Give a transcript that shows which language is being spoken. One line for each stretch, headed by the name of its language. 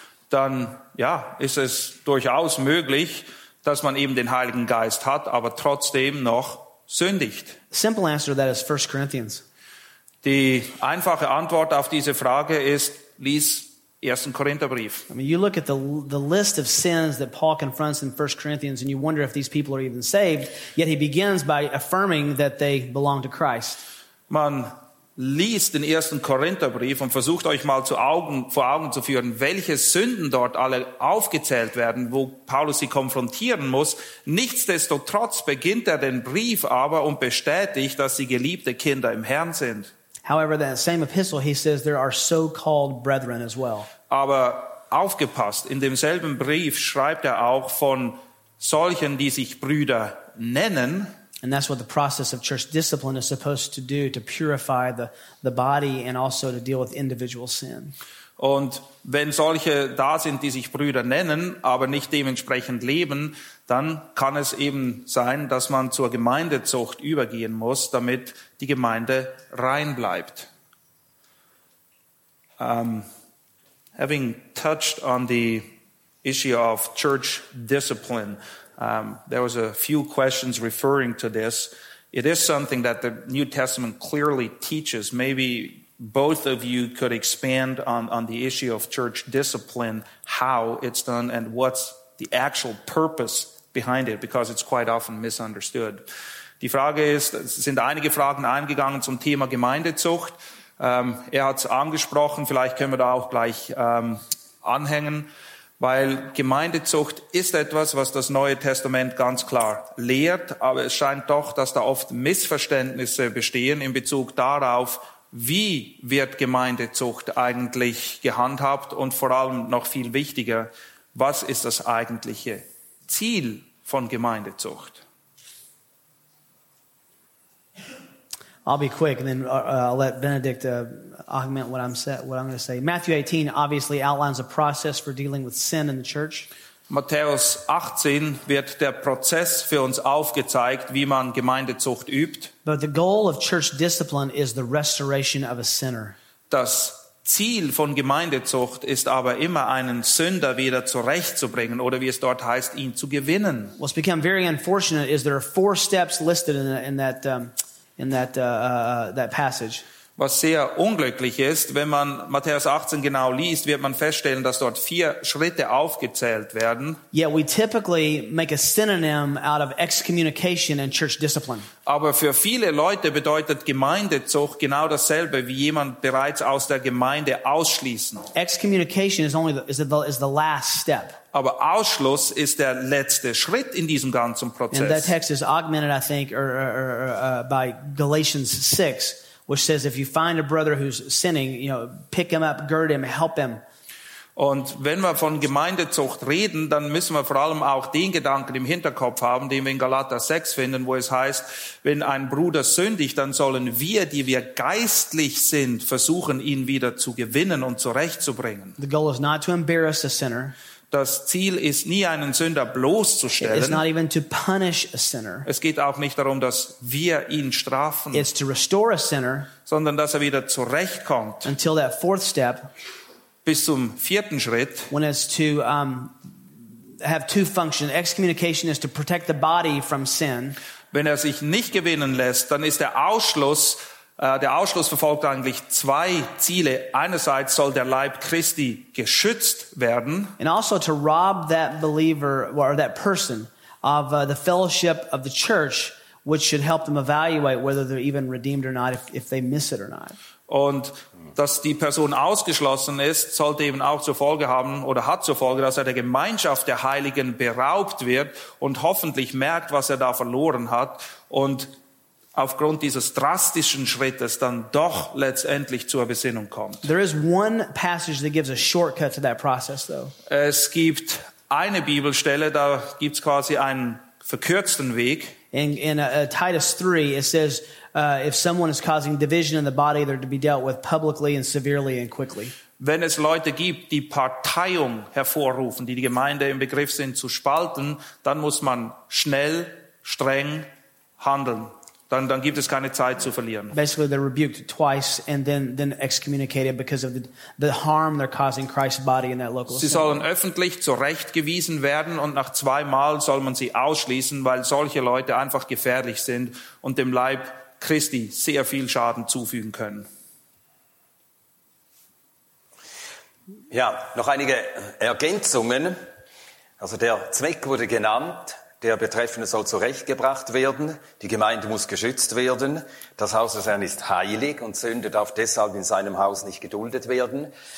German: Dann ja, ist es durchaus möglich, dass man eben den Heiligen Geist hat, aber trotzdem noch sündigt.
English: Simple answer to that is 1 Corinthians.
German: Die einfache Antwort auf diese Frage ist, lies 1. Korintherbrief.
English: I mean, you look at the list of sins that Paul confronts in 1 Corinthians and you wonder if these people are even saved, yet he begins by affirming that they belong to Christ.
German: Man liest den 1. Korintherbrief und versucht euch mal vor Augen zu führen, welche Sünden dort alle aufgezählt werden, wo Paulus sie konfrontieren muss. Nichtsdestotrotz beginnt er den Brief aber und bestätigt, dass sie geliebte Kinder im Herrn sind.
English: However, that same epistle, he says there are so-called brethren as well.
German: Aber aufgepasst, in demselben Brief schreibt er auch von solchen, die sich Brüder nennen.
English: And that's what the process of church discipline is supposed to do, to purify the body and also to deal with individual sin.
German: Und wenn solche da sind, die sich Brüder nennen, aber nicht dementsprechend leben, dann kann es eben sein, dass man zur Gemeindezucht übergehen muss, damit die Gemeinde rein bleibt.
English: Having touched on the issue of church discipline, there was a few questions referring to this. It is something that the New Testament clearly teaches. Maybe both of you could expand on the issue of church discipline, how it's done and what's the actual purpose behind it, because it's quite often misunderstood.
German: Die Frage ist, es sind einige Fragen eingegangen zum Thema Gemeindezucht. Er hat es angesprochen, vielleicht können wir da auch gleich anhängen. Weil Gemeindezucht ist etwas, was das Neue Testament ganz klar lehrt, aber es scheint doch, dass da oft Missverständnisse bestehen in Bezug darauf, wie wird Gemeindezucht eigentlich gehandhabt und vor allem noch viel wichtiger, was ist das eigentliche Ziel von Gemeindezucht?
English: I'll be quick and then I'll let Benedict augment what I'm going to say. Matthew 18 obviously outlines a process for dealing with sin in the church.
German: Matthäus 18 wird der Prozess für uns aufgezeigt, wie man Gemeindezucht übt.
English: But the goal of church discipline is the restoration of a sinner.
German: Das Ziel von Gemeindezucht ist aber immer, einen Sünder wieder zurechtzubringen oder wie es dort heißt, ihn zu gewinnen.
English: What's become very unfortunate is there are 4 steps listed in that passage.
German: Was sehr unglücklich ist, wenn man Matthäus 18 genau liest, wird man feststellen, dass dort 4 Schritte aufgezählt werden.
English: Yet we typically make a synonym out of excommunication and church discipline.
German: Aber für viele Leute bedeutet Gemeindezucht genau dasselbe wie jemand bereits aus der Gemeinde ausschließen.
English: Excommunication is the last step.
German: Aber Ausschluss ist der letzte Schritt in diesem ganzen Prozess.
English: And that text is augmented, I think, by Galatians 6, which says, if you find a brother who's sinning, you know, pick him up, gird him, help him.
German: Und wenn wir von Gemeindezucht reden, dann müssen wir vor allem auch den Gedanken im Hinterkopf haben, den wir in Galater 6 finden, wo es heißt, wenn ein Bruder sündigt, dann sollen wir, die wir geistlich sind, versuchen, ihn wieder zu gewinnen und zurechtzubringen.
English: The goal is not to embarrass a sinner.
German: Das Ziel ist nie, einen Sünder bloßzustellen.
English: It is not even to punish a sinner.
German: Es geht auch nicht darum, dass wir ihn strafen.
English: It's to restore a sinner,
German: sondern dass er wieder zurechtkommt.
English: Until that fourth step,
German: bis zum 4. Schritt.
English: When it's to have 2 functions. Excommunication is to protect the body from sin.
German: Wenn er sich nicht gewinnen lässt, dann ist der Ausschluss verfolgt eigentlich 2 Ziele. Einerseits soll der Leib Christi geschützt werden.
English: And also to rob that believer or that person of the fellowship of the church, which should help them evaluate whether they're even redeemed or not, if they miss it or not.
German: Und dass die Person ausgeschlossen ist, sollte eben auch zur Folge haben oder hat zur Folge, dass er der Gemeinschaft der Heiligen beraubt wird und hoffentlich merkt, was er da verloren hat und aufgrund dieses drastischen Schrittes dann doch letztendlich zur Besinnung kommt.
English: There is one passage that gives a shortcut to that process, though.
German: Es gibt eine Bibelstelle, da gibt's quasi einen verkürzten Weg.
English: In Titus 3, it says, if someone is causing division in the body, they're to be dealt with publicly and severely and quickly.
German: Wenn es Leute gibt, die Parteiung hervorrufen, die Gemeinde im Begriff sind zu spalten, dann muss man schnell, streng handeln. Dann gibt es keine Zeit zu verlieren.
English: Basically, they're rebuked twice and then excommunicated because of the harm they're causing Christ's body in that local.
German: Sie sollen öffentlich zurechtgewiesen werden und nach 2 Mal soll man sie ausschließen, weil solche Leute einfach gefährlich sind und dem Leib Christi sehr viel Schaden zufügen können. Ja, noch einige Ergänzungen. Also der Zweck wurde genannt, der Betreffende soll zurechtgebracht werden, die Gemeinde muss geschützt werden, das Haus des Herrn ist heilig und Sünde darf deshalb in seinem Haus nicht geduldet werden.